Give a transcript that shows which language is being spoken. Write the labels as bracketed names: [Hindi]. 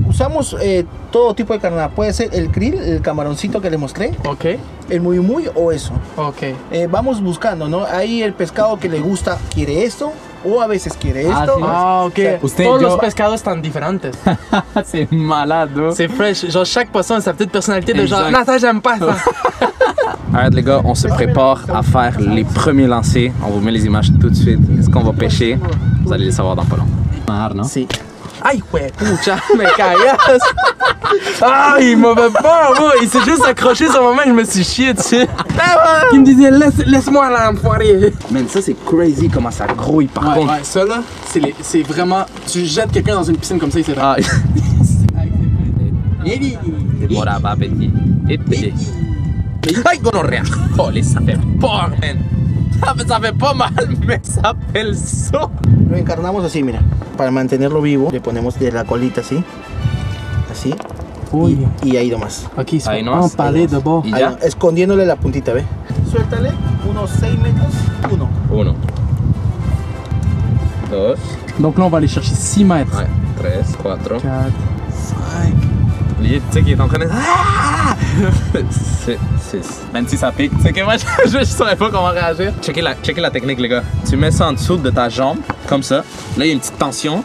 [Spanish] Usamos todo tipo de carnada. Puede ser el krill, el camaroncito que le mostré. Ok. El muy muy o eso. Ok. Vamos buscando, ¿no? Ahí el pescado que le gusta quiere esto o a veces quiere esto. Ah, sí. Ah, ok. O sea, los pescados están diferentes. [French] C'est malade, ¿no? C'est fresh. Genre, chaque poisson a sa petite personnalité de genre, non, ça j'aime pas ça. [English] Alright, [French] les gars, on se prépare à faire les premiers lancers. On vous met les images tout de suite. Est-ce qu'on va pêcher? Vous allez le savoir dans pas long. Non? Si. Aïe, ouais, pucha, me caillasse! Aïe, il m'a fait peur, moi! Il s'est juste accroché sur ma main et je me suis chié dessus! Il me disait, laisse-moi là, enfoiré! Man, ça c'est crazy comment ça grouille par contre! Ouais, ça là, c'est vraiment. Tu jettes quelqu'un dans une piscine comme ça, il s'est fait. Aïe! C'est bon là-bas, petit! Et petit! Aïe, gonorrhea! Oh, les, ça fait peur, man! Ça fait pas mal, mais ça fait le saut! [Spanish] Lo encarnamos así, mira, para mantenerlo vivo, le ponemos de la colita así, así, uy. Y ahí nomás. Aquí, ahí nomás. Un palé de bo. ¿Y ya? Ahí, escondiéndole la puntita, ve. Suéltale, unos 6 metros, uno. Uno. Dos. [French] Donc là, on va aller chercher 6 mètres. Ouais. [Spanish] Tres, cuatro. [French] Quatre. Cinq. Tu sais qu'il est en train de... Ah! Six. Même si ça pique. C'est que moi, je savais pas comment réagir. Checker la technique, les gars. Tu mets ça en dessous de ta jambe. Comme ça. Là, il y a une petite tension.